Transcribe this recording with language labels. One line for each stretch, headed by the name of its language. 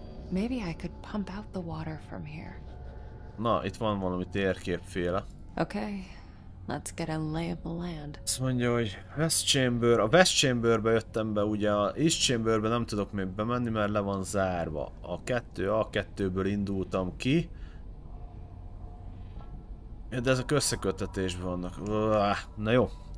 English: Maybe I could pump out the water from here.
Hungarian: Na, itt van valami térképféle.
English: Okay, let's get a lay of the land.
Hungarian: Azt mondja, hogy West Chamber, a West Chamberbe jöttem be, ugye a East Chamberbe nem tudok még bemenni, mert le van zárva. A kettő, a kettőből indultam ki. Ja, de ezek összekötetésben vannak. Na jó.